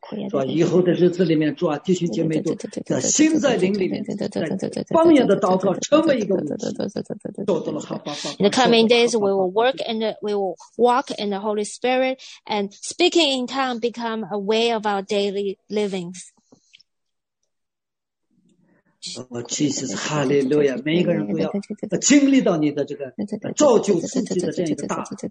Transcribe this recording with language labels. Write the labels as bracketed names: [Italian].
[Chinese] 主啊，以后的日子里面，主啊，弟兄姐妹都在心在灵里面，在方言的祷告成为一个武器，做到了哈巴巴。 [English] In the coming days, we will work and we will walk in the Holy Spirit, and speaking in tongues become a way of our daily livings. Oh, Jesus, Hallelujah! [Chinese] 每一个人都要经历到你的这个造就自己的这样一个大。